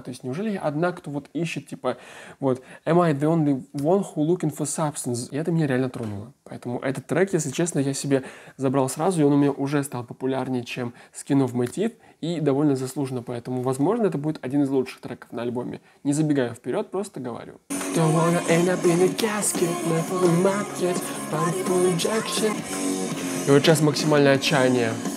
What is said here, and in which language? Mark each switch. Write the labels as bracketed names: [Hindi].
[Russian] То есть, неужели я одна, кто вот ищет, типа, вот, [English] am I the only one who looking for substance? [Russian] И это меня реально тронуло. Поэтому этот трек, если честно, я себе забрал сразу, и он у меня уже стал популярнее, чем Skin of My Teeth, и довольно заслуженно. Поэтому, возможно, это будет один из лучших треков на альбоме. Не забегая вперед, просто говорю. [English] Don't wanna end up in a casket, not for the market, but for rejection. [Russian] И вот сейчас максимальное отчаяние.